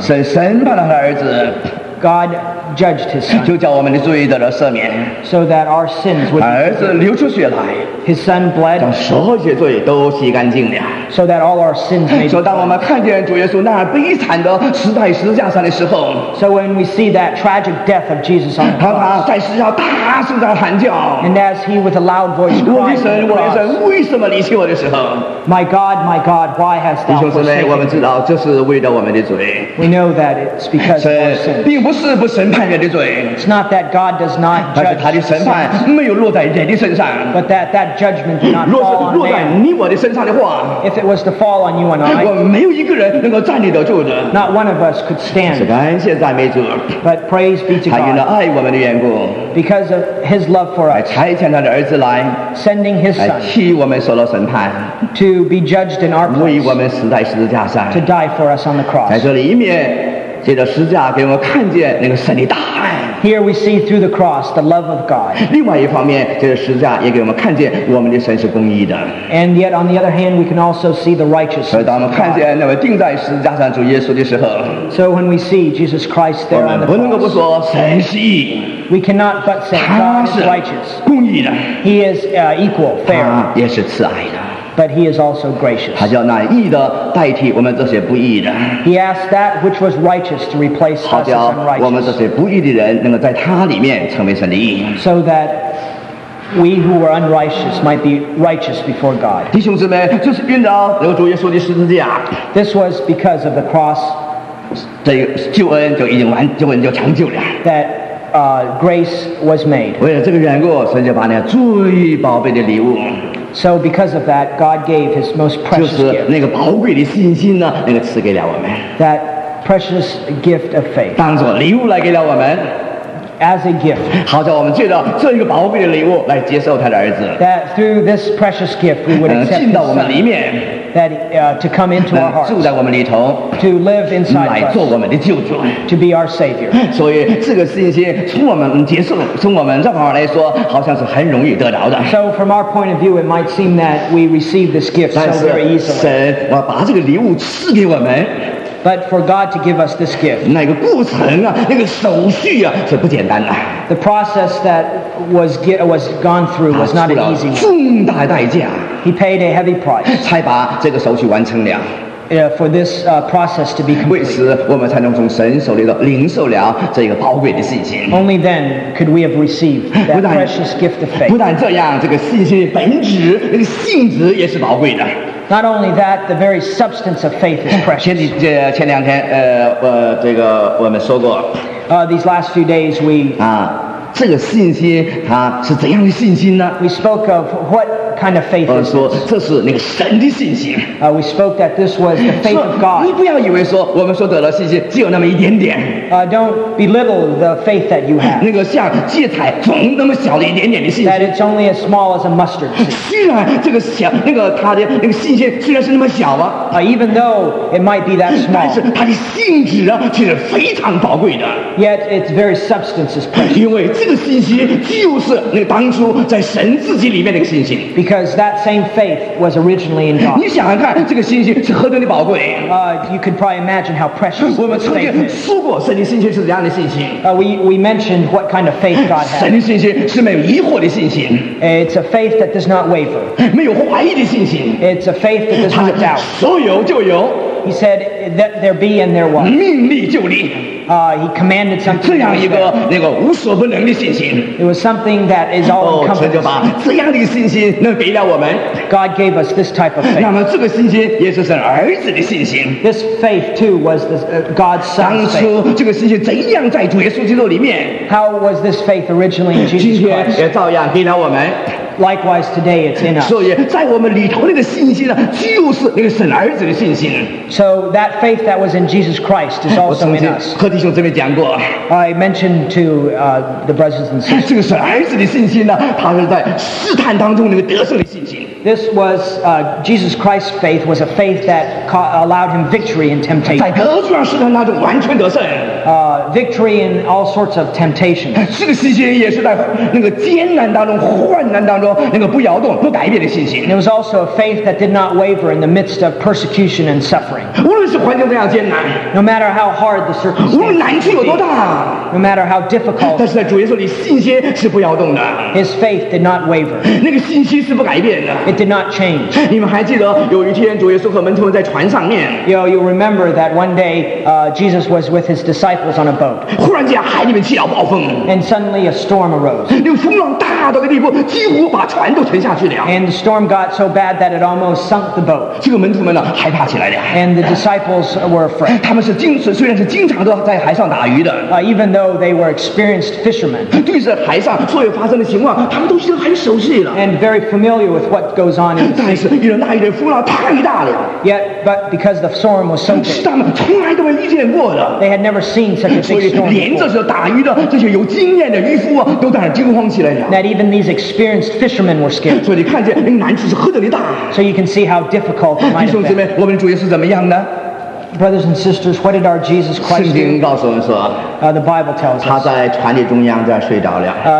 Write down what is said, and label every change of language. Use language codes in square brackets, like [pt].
[zh] 神审判了他儿子。 [en] God judged his son. [zh] 就叫我们的罪得了赦免。 [en] So that our sins would be forgiven. [zh] 儿子流出血来。 [en] His son bled. [zh] 将所有的罪都洗干净了。 [en] So that all our sins may be forgiven. [zh] 说当我们看见主耶稣那悲惨的死在十字架上的时候。 [en] So when we see that tragic death of Jesus on the cross. [zh] 他在十字架大声地喊叫。 [en] And as he with a loud voice cried. [zh] 我的神，我的神，为什么离弃我的时候。 [en] My God, my God, why hast thou forsaken me? [zh] 弟兄姊妹，我们知道这是为了我们的罪。 [en] We know that it's because of our sins. [zh] 并不是不审判人的罪。 [en] It's not that God does not judge. [zh] 但是他的审判没有落在人的身上。 [en] But that judgment did not fall on man. [zh] 若是落在你我的身上的话。 [en] If it was to fall on you and I. [zh] 我没有一个人能够站立得住的。 [en] Not one of us could stand. [zh] 感谢赞美主。 [en] But praise be to God. [zh] 他因着爱我们的缘故。 [en] Because of his love for us. [zh] 差遣他的儿子来。 [en] Sending his son. [zh] 替我们受了审判。 [en] To be judged in our place. [zh] 为我们死在十字架上。 [en] To die for us on the cross. [zh] 在这里一面。借着十字架给我们看见那个神的大爱。 [en] Here we see through the cross the love of God. [zh] 另外一方面，借着十字架也给我们看见我们的神是公义的。 [en] And yet on the other hand, we can also see the righteousness. [zh] 所以当我们看见那位钉在十字架上主耶稣的时候。 [en] So when we see Jesus Christ there on the cross. [zh] 我们不能够不说神是义。 [en] We cannot but say God is righteous. [zh] 他是公义的。 [en] He is equal, fair. [zh] 他也是慈爱的。 [en] But he is also gracious. [zh] 他叫那义的代替我们这些不义的。 [en] He asked that which was righteous to replace us as unrighteous. [zh] 他叫我们这些不义的人能够在他里面成为神的义。 [en] So that we who were unrighteous might be righteous before God. [zh] 弟兄姊妹，就是因着那个主耶稣的十字架。 [en] This was because of the cross. [zh] 这救恩就已经完，救恩就成就了。 [en] That grace was made. [zh] 为了这个缘故，神就把那最宝贝的礼物。 [en] So because of that, God gave his most precious gift. [zh] 就是那个宝贵的信心呢，那个赐给了我们。 [en] That precious gift of faith. [zh] 当作礼物来给了我们。 [en] As a gift. [zh] 好叫我们借着这一个宝贵的礼物来接受他的儿子。 [en] That through this precious gift we would accept. [zh] 进到我们里面。 [en] That to come into our hearts. [zh] 住在我们里头。 [en] To live inside us. [zh] 来做我们的救主。 [en] To be our savior. [zh] 所以这个信心从我们接受，从我们这方面来说，好像是很容易得着的。 [en] So from our point of view, it might seem that we receive this gift so very easily. [zh] 但是神要把这个礼物赐给我们。 [en] But for God to give us this gift, [zh] 那个过程啊，那个手续啊，是不简单的。 [en] The process that was gone through was not an easy one. [zh] 重大代价。 [en] He paid a heavy price. [zh] 才把这个手续完成了。 [en] For this process to be complete. [zh] 为此，我们才能从神手里头领受了这个宝贵的信心。 [en] Only then could we have received that precious gift of faith. [zh] 不但这样，这个信心的本质，那个性质也是宝贵的。 [en] Not only that, the very substance of faith is precious. [zh] 前两天，这个我们说过。 [en] These last few days, we [zh] 啊，这个信心它是怎样的信心呢 [en] ？We spoke of what kind of faith. [zh] 我说这是那个神的信心。 [en] We spoke that this was the faith of God. [zh] 你不要以为说我们说得了信心只有那么一点点。 [en] Don't belittle the faith that you have. [zh] 那个像芥菜总那么小的一点点的信心。 [en] That it's only as small as a mustard seed. [zh] 虽然这个小，那个他的那个信心虽然是那么小啊。 [en] Even though it might be that small. [zh] 但是它的性质啊，却是非常宝贵的。 [en] Yet its very substance is precious. [zh] 因为这个信心就是那个当初在神自己里面那个信心。 [en] Because that same faith was originally in God. [zh] 你想想看，这个信心是何等的宝贵。 [en] You could probably imagine how precious. [zh] 我们曾经说过，神的信心是怎样的信心。 [en] We mentioned what kind of faith God has. [zh] 神的信心是没有疑惑的信心。 [en] It's a faith that does not waver. [zh] 没有怀疑的信心。 [en] It's a faith that does not doubt. [zh] 说有就有。 [en] He said that there be and there was. [zh] 命立就立。 [en] He commanded something. [zh] 这样一个那个无所不能的信心。 [en] It was something that is all encompassing. [zh] 神就把这样的信心能给了我们。 [en] God gave us this type of faith. [zh] 那么这个信心也是神儿子的信心。 [en] This faith too was this, God's son's faith. [zh] 当初这个信心怎样在主耶稣基督里面？ [en] How was this faith originally in Jesus Christ? [zh] 今天也照样给了我们。 [en] Likewise, today it's in us. [zh] 所以在我们里头那个信心呢，就是那个神儿子的信心。 [en] So that faith that was in Jesus Christ is also in us. [zh] 我曾经和弟兄这边讲过。 [en] I mentioned to the brothers and sisters. [zh] 这个神儿子的信心呢，他是在试探当中那个得胜的信心。 [en] This was Jesus Christ's faith was a faith that allowed him victory in temptation. [zh] 在各种试探当中完全得胜。 [en] Victory in all sorts of temptations. [zh] 这个信心也是在那个艰难当中、患难当中那个不摇动、不改变的信心。 [en] And it was also a faith that did not waver in the midst of persecution and suffering. [zh] 无论是环境怎样艰难， [en] no matter how hard the circumstances, [zh] 无论难处有多大， [en] no matter how difficult, [zh] 但是在主耶稣里信心是不摇动的。 [en] His faith did not waver. [zh] 那个信心是不改变的。 [en] It did not change. [zh] 你们还记得有一天主耶稣和门徒们在船上面？ [en] You remember that one day, Jesus was with his disciples on a boat. [zh] 忽然间海里面起了暴风。 [en] And suddenly a storm arose. [zh] 那个风浪大到个地步，几乎把船都沉下去了。 [en] And the storm got so bad that it almost sunk the boat. [zh] 这个门徒们呢，害怕起来了。 [en] And the disciples were afraid. [zh] 他们是经常，虽然是经常都在海上打鱼的。 [en] Even though they were experienced fishermen. [zh] 对着海上所有发生的情况，他们都是很熟悉了。 [en] And very familiar with what goes on in the sea. [zh] 但是，因为那一阵风浪太大了。 [en] Yet, but because the storm was so big, [zh] 他们从来都没遇见过的。 [en] They had never seen such a big storm. [zh] 所以，连着是打鱼的这些有经验的渔夫啊，都在那惊慌起来了。 [en] That even these experienced fishermen were scared. [zh] 所以你看见那个难处是何等的大。 [en] So you can see how difficult. [zh] 弟兄姊妹，我们主耶稣怎么样呢？ [en] Brothers and sisters, what did our Jesus Christ do? [zh] 圣经告诉我们说。 [en] The Bible tells us. [zh] 他在船的中央在睡着了。